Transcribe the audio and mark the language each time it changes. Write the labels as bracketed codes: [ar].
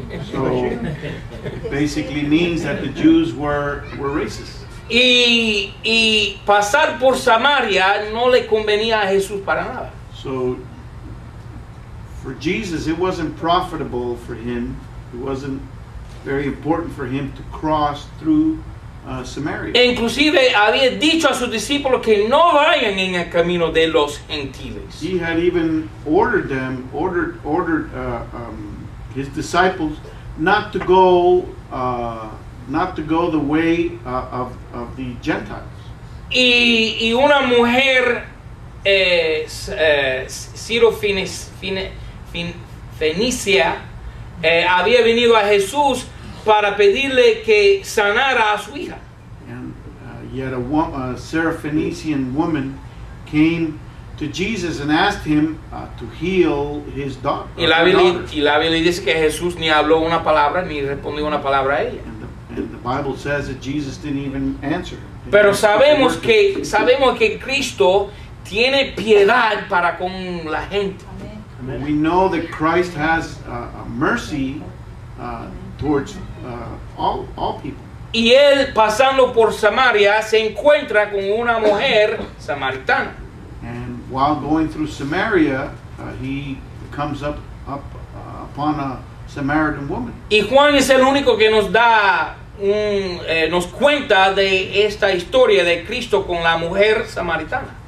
[en] So basically means that the Jews were racist. [es] Y pasar por Samaria no le convenía a Jesús para nada. [en] So for Jesus it wasn't profitable for him, it wasn't very important for him to cross through Samaria. [es] Inclusive había dicho a sus discípulos que no vayan en el camino de los gentiles. [en] He had even ordered his disciples not to go the way of the Gentiles. [es] Y una mujer Sirofenicia había venido a Jesús para pedirle que sanara a su hija. [en] And yet a Sirofenician woman came to Jesus and asked him to heal his daughter. [es] Y la Biblia dice que Jesús ni habló una palabra ni respondió una palabra a ella. [en] And the Bible says that Jesus didn't even answer. [es] Pero sabemos que Cristo tiene piedad para con la gente. [en] Amen. We know that Christ has a mercy towards all people. [es] Y él pasando por Samaria se encuentra con una mujer samaritana. [en] And while going through Samaria, he comes up upon a Samaritan woman. [es] Y Juan es el único que nos da nos cuenta de esta historia de Cristo con la mujer samaritana.